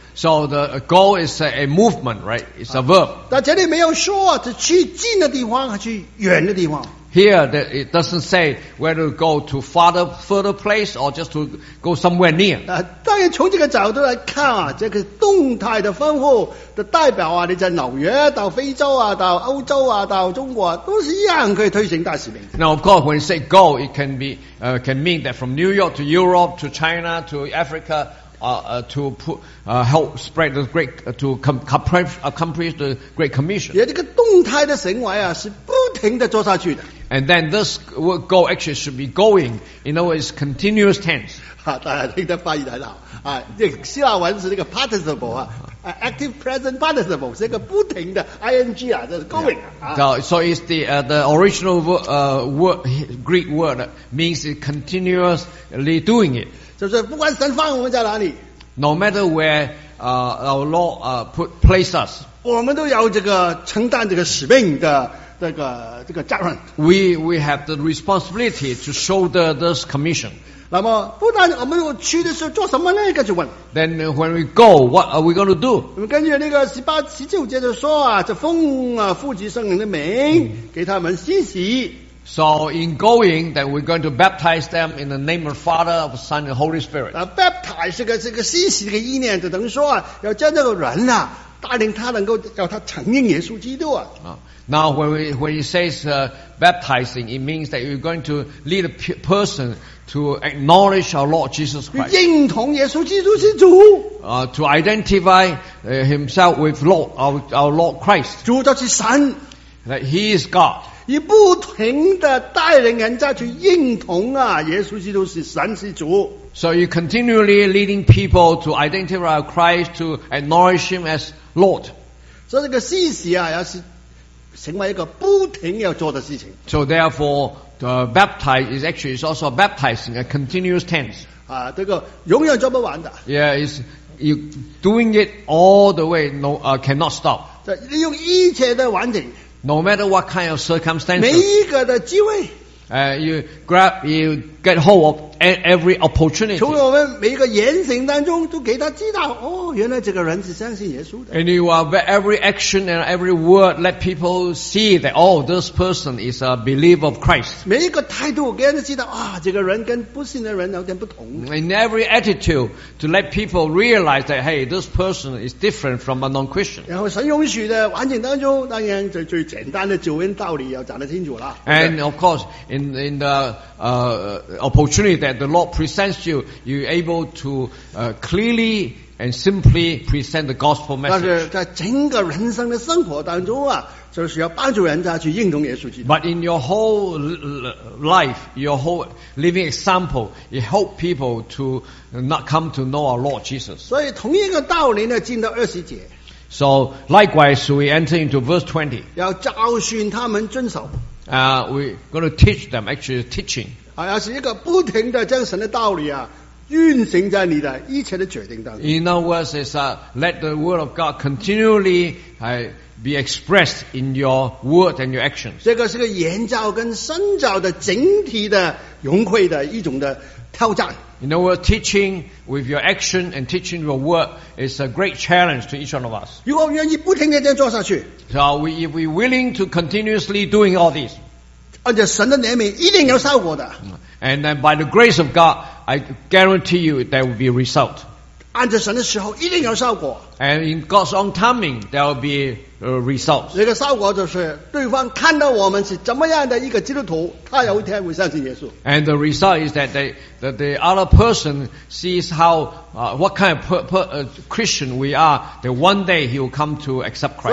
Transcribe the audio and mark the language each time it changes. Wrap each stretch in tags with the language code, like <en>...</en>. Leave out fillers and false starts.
<en>So the go is a movement, right? It's a verb.</en> <zh>但这里没有说是去近的地方还是远的地方。</zh> <en>Here, it doesn't say whether to go to further place or just to go somewhere near.</en> <zh>当然从这个角度来看啊，这个动态的吩咐的代表啊，你在纽约到非洲啊，到欧洲啊，到中国啊，都是一样可以推行大使命。</zh> <en>Now, of course, when you say go, it can be, can mean that from New York to Europe to China to Africa,help spread the great, to accomplish the Great Commission.</en> <zh>这个动态的行为啊，是不停地做下去的。</zh> <en>And then this word go actually should be going, in other words, continuous tense.</en> <zh>大家听得发音很好。这个希腊文是这个 participle 啊。</zh> <en>Active present participle</en> <zh>是一个不停的 ing 啊，就是 going 啊。</zh> <en>Yeah. So it's the original word Greek word means it continuously doing it.</en> <zh>就是不管神放我们在哪里</zh> <en>，No matter where our Lord place us，</en> <zh>我们都要这个承担这个使命的这个责任。</zh> <en>We have the responsibility to shoulder this commission。</en> <zh>那么，不但我们去的时候做什么呢？就问。</zh> <en>Then when we go, what are we going to do?</en> <zh>我们根据那个18、19节就说啊，这奉啊父及圣灵的名给他们施洗。</zh> <en>So in going, then we're going to baptize them in the name of Father, of Son, and Holy Spirit.</en> <zh>Baptize 这个施洗这个意念，就等于说啊，要将这个人啊，带领他能够叫他承认耶稣基督啊。</zh> <en>Now when he says baptizing, it means that you're going to lead a person to acknowledge our Lord Jesus Christ.</en> <zh>认同耶稣基督是主。</zh> <en>To identify himself with our Lord Christ.</en> <zh>主就是神。</zh> <en>That he is God.</en> <zh>以不停地带领人家去认同啊，耶稣基督是神是主。</zh> <en>So you continually leading people to identify Christ, to acknowledge him as Lord.</en> <zh>所以这个施洗啊，要是成为一个不停要做的事情。</zh> <en>So therefore, the baptize is actually also baptizing a continuous tense.</en> <zh>啊，这个永远做不完的。</zh> <en>Yeah, it's you doing it all the way, no, cannot stop.</en> <zh>你用一切的完整。</zh> <en>No matter what kind of circumstances,</en> <zh>每一个的机会</zh> <en>you get hold of every opportunity.</en> <zh>从我们每一个言行当中都给他知道，哦，原来这个人是相信耶稣的。</zh> <en>And you are every action and every word let people see that, oh, this person is a believer of Christ.</en> <zh>每一个态度给人知道，啊，这个人跟不信的人有点不同。</zh> <en>In every attitude, to let people realize that, hey, this person is different from a non-Christian.</en> <zh>然后神允许的环境当中，当然就最简单的救恩道理要讲得清楚了。</zh> <en>And of course, in the opportunity that the Lord presents you, you're able to clearly and simply present the gospel message.</en> <zh>但是在整个人生的生活当中啊，就是要帮助人家去认同耶稣基督。</zh> <en>But in your whole life, your whole living example, it help people to not come to know our Lord Jesus.</en> <zh>所以同一个道理呢，进到二十节。</zh> <en>So likewise, we enter into verse 20.</en> <zh>要教训他们遵守。</zh> <en>We're going to teach them, actually teaching.</en> <zh>要是一个不停地将神的道理啊运行在你的一切的决定当中。</zh> <en>In other words, it's let the word of God continually be expressed in your word and your actions.</en> <zh>这个是个言教跟身教的整体的融会的一种的挑战。</zh> <en>In other words, teaching with your action and teaching your word is a great challenge to each one of us.</en> <zh>如果愿意不停地这样做下去。</zh> <en>So if we're willing to continuously doing all this,</en> <zh>而且神的怜悯一定有效果的。</zh> <en>And then by the grace of God, I guarantee you there will be a result.</en> <zh>按着神的时候一定有效果。</zh> <en>And in God's own timing, there will be results.</en> <zh>这个效果就是对方看到我们是怎么样的一个基督徒，他有一天会相信耶稣。</zh> <en>And the result is that the other person sees how, what kind of Christian we are, that one day he will come to accept Christ.</en>